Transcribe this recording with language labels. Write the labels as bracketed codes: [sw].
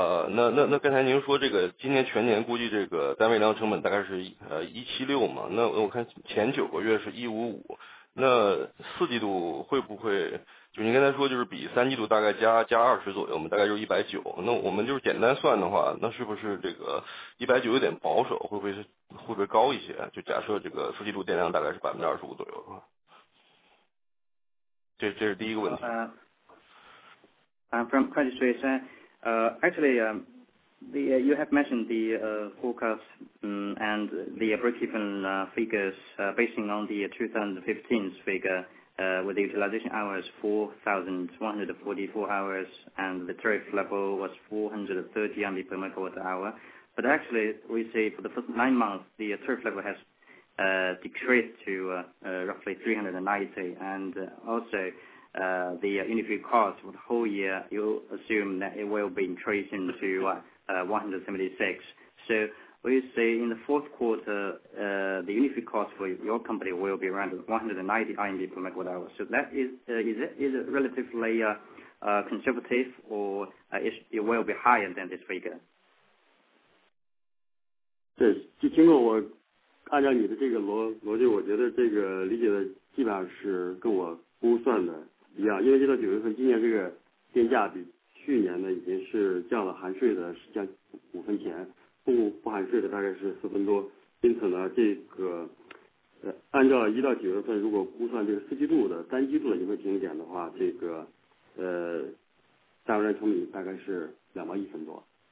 [zh] 那刚才您说这个今年全年估计这个单位粮食成本大概是176嘛，那我看前九个月是155，那四季度会不会就您刚才说就是比三季度大概加20左右嘛，大概就是190，那我们就是简单算的话，那是不是这个190有点保守，会不会高一些，就假设这个四季度电量大概是25%左右的话。这是第一个问题。 [en] From Credit Suisse, actually, you have mentioned the forecast and the break-even figures basing on the 2015's figure. With the utilization hours 4,144 hours, and the tariff level was 430 per megawatt hour. But actually, we see for the first 9 months, the tariff level has decreased to roughly 390, and also the unit fuel cost for the whole year, you assume that it will be increasing to 176. So we see in the fourth quarter, the unit fuel cost for your company will be around 190 RMB per megawatt hour. So that is it relatively conservative, or it will be higher than this figure? [zh] 对，就经过我按照你的这个逻辑，我觉得这个理解的基本上是跟我估算的一样。因为到9月份，今年这个电价比去年呢已经是降了含税的将5分钱。不含税的大概是4分多，因此呢，这个按照1到9月份，如果估算这个四季度的单季度的盈亏平衡点的话，这个单位粮食成本大概是2.1毛多。